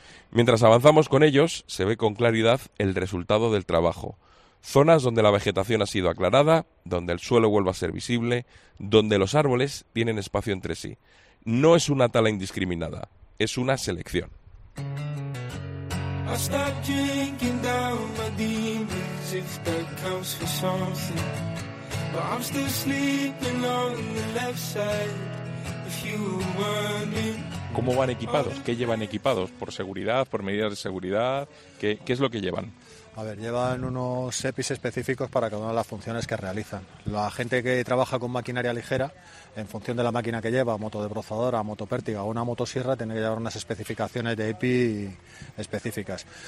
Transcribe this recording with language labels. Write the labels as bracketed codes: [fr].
[es] Mientras avanzamos con ellos, se ve con claridad el resultado del trabajo. Zonas donde la vegetación ha sido aclarada, donde el suelo vuelve a ser visible, donde los árboles tienen espacio entre sí. No es una tala indiscriminada, es una selección. [en] I start drinking down my demons, if that counts for something. But I'm still sleeping on the left side, if you want me. [es] ¿Cómo van equipados? ¿Qué llevan equipados? ¿Por seguridad? ¿Por medidas de seguridad? ¿Qué es lo que llevan? A ver, llevan unos EPIs específicos para cada una de las funciones que realizan. La gente que trabaja con maquinaria ligera, en función de la máquina que lleva, motodesbrozadora, motopértiga o una motosierra, tiene que llevar unas especificaciones de EPI específicas.